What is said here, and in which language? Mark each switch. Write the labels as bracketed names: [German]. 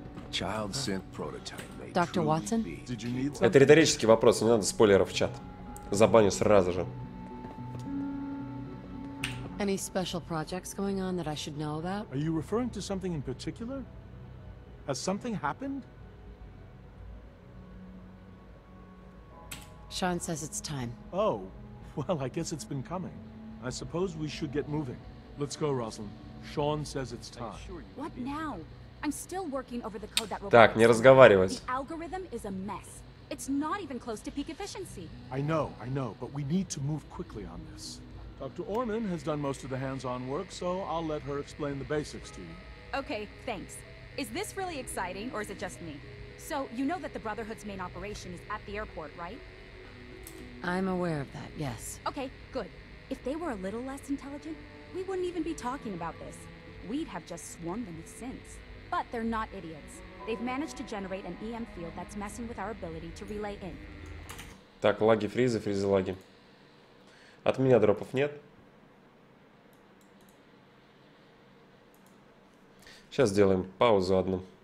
[English] Child synth prototype. [Russian] Доктор Уотсон? Это риторический вопрос, не надо спойлеров в чат. Забаню сразу же. [English] Any special projects going on that I should know about? Are you referring to something in particular? Has something happened? Sean says it's time. Oh, well, I guess it's been coming. I suppose we should get moving. Let's go, Rosalind. Sean says it's time. What now? I'm still working over the code that robot. [Russian] Так, не разговаривать. [English] The algorithm is a mess. It's not even close to peak efficiency. I know, but we need to move quickly on this. Dr. Orman has done most of the hands-on work, so I'll let her explain the basics to you. Okay, thanks. Is this really exciting, or is it just me? So, you know that the Brotherhood's main operation is at the airport, right? I'm aware of that, yes. Okay, good. If they were a little less intelligent, we wouldn't even be talking about this. We'd have just swarmed them with synths. But they're not idiots. They've managed to generate an EM field that's messing with our ability to relay in. [Russian] Так, лаги, фризы, фризы, лаги. От меня дропов нет. Сейчас сделаем паузу одну.